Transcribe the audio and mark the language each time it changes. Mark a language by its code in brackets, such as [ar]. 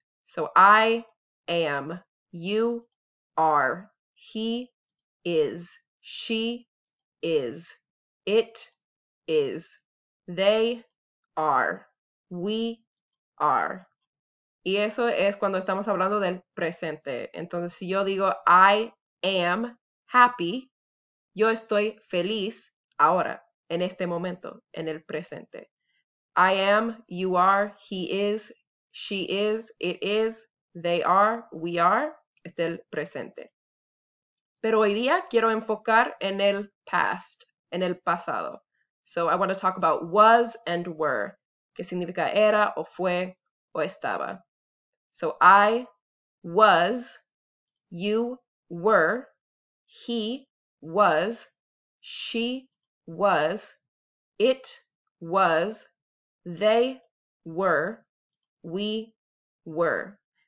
[en] So I am, you are, he is, she is, it is, they are, we are. [es] Y eso es cuando estamos hablando del presente. Entonces, si yo digo [en] I am happy, [es] yo estoy feliz ahora, en este momento, en el presente. [en] I am, you are, he is, she is, it is, they are, we are, [es] es del presente. Pero hoy día quiero enfocar en el past, en el pasado. [en] So I want to talk about was and were. [es] ¿Qué significa era o fue o estaba? [en] So I was, you were, he was, she was, it was, they were, we were.